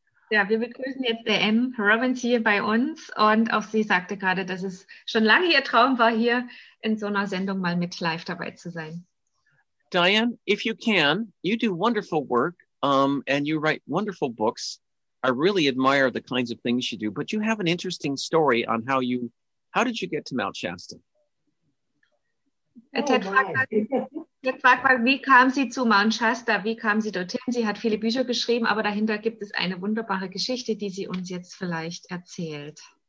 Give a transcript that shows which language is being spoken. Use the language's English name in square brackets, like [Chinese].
[German] Ja, wir begrüßen jetzt Diane Robbins hier bei uns und auch sie sagte gerade, dass es schon lange ihr Traum war, hier in so einer Sendung mal mit live dabei zu sein. [English] Diane, if you can, you do wonderful work and you write wonderful books. I really admire the kinds of things you do, but you have an interesting story on how did you get to Mount Shasta? [German] Jetzt fragt man, wie kam sie zu Mount Shasta? Wie kam sie dorthin? Sie hat viele Bücher geschrieben, aber dahinter gibt es eine wunderbare Geschichte, die sie uns jetzt vielleicht erzählt.